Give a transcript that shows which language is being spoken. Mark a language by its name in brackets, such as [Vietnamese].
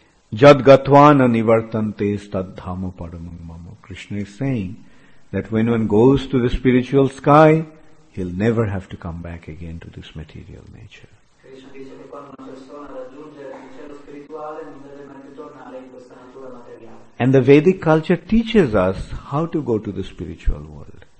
[Sanskrit] Jad gatvana nivartante staddhama paramamama. [English] Krishna is saying that when one goes to the spiritual sky, he'll never have to come back again to this material nature. [Italian] Krishna dice che quando una persona raggiunge il cielo spirituale non deve mai più tornare in questa natura materiale. [English] And the Vedic culture teaches us how to go to the spiritual world.